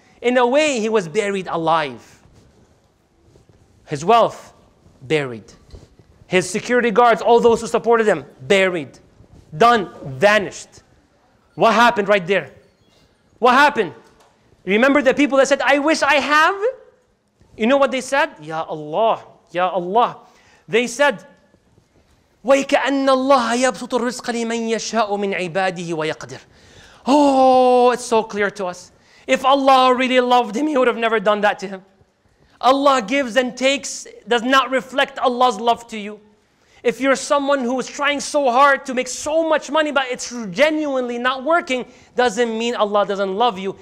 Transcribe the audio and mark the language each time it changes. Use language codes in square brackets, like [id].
[en] In a way, he was buried alive. His wealth, buried. His security guards, all those who supported him, buried. Done, vanished. What happened right there? What happened? Remember the people that said, I wish I have? You know what they said? Ya Allah, Ya Allah. They said, [ar] وَيْكَأَنَّ اللَّهَ يَبْسُطُ الرِّزْقَ لِمَنْ يَشَاءُ مِنْ عِبَادِهِ وَيَقْدِرُ. [en] Oh, it's so clear to us. If Allah really loved him, he would have never done that to him. Allah gives and takes, does not reflect Allah's love to you. If you're someone who is trying so hard to make so much money, but it's genuinely not working, doesn't mean Allah doesn't love you.